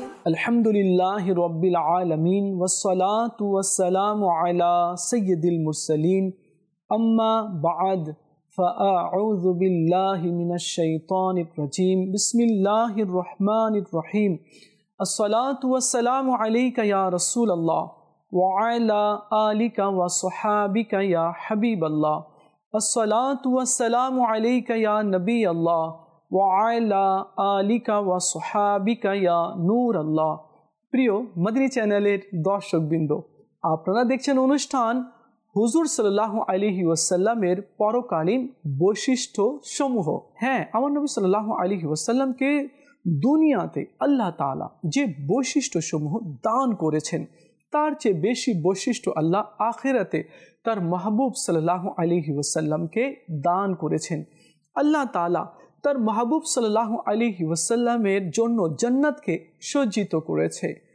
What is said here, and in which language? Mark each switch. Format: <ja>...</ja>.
<ar>আলহামদুলিল্লাহ রব্বিল আলামিন ওয়াসসালাতু ওয়াসসালামু আলা সাইয়্যিদিল মুরসালিন আম্মা বাদ। فأعوذ بالله من الشيطان الرجيم بسم الله الرحمن الرحيم الصلاة والسلام عليك يا رسول الله وعلى آلك وصحابك يا حبيب الله الصلاة والسلام عليك يا نبي الله وعلى آلك وصحابك يا نور الله</ar> <bn>প্রিয় মদিনী চ্যানেলের দর্শক বৃন্দ, আপনারা দেখছেন অনুষ্ঠান হুজুর সাল্লাল্লাহু আলাইহি ওয়াসাল্লামের পরকালীন বৈশিষ্ট্য সমূহ। হ্যাঁ, আমার নবী সাল্লাল্লাহু আলাইহি ওয়াসাল্লামকে দুনিয়াতে আল্লাহ তাআলা যে বৈশিষ্ট্য সমূহ দান করেছেন, তার চেয়ে বেশি বৈশিষ্ট্য আল্লাহ আখিরাতে তার মাহবুব সাল্লাল্লাহু আলাইহি ওয়াসাল্লামকে দান করেছেন। আল্লাহ তাআলা তার মাহবুব সাল্লাল্লাহু আলাইহি ওয়াসাল্লামের জন্য জান্নাতকে সজ্জিত করেছে।</bn>